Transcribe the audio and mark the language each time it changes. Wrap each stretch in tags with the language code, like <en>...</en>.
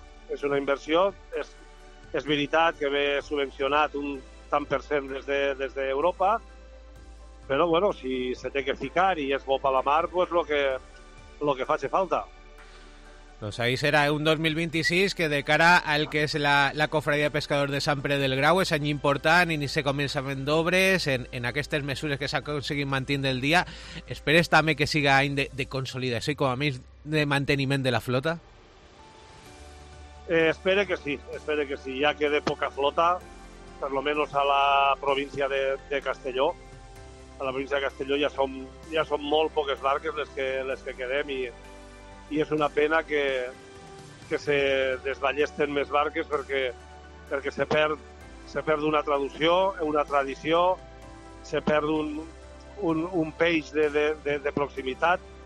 <ca>És una inversió, és veritat que ve subvencionat un tant per cent des d'Europa, però bueno, si se té que ficar i és bo per la mar, pues lo que faci falta.</ca> <es>Pues ahí será un 2026 que de cara al que es la cofradía de pescadores de Sant Pere del Grau es año importante, inicia comenzamiento de</es> <ca>obres en aquestes mesures</ca> <es>que se han conseguido mantener el día. ¿Esperes también que siga de consolidación y como a mí de mantenimiento de la flota? Espere que sí, ya quede poca flota, por lo menos a la provincia de Castelló.</es> <ca>A la provincia de Castelló ya son molt poques barques les que quedem i és una pena que se desballesten més barques perquè se perd una traducció, una tradició, se perd un peix de proximitat,</ca>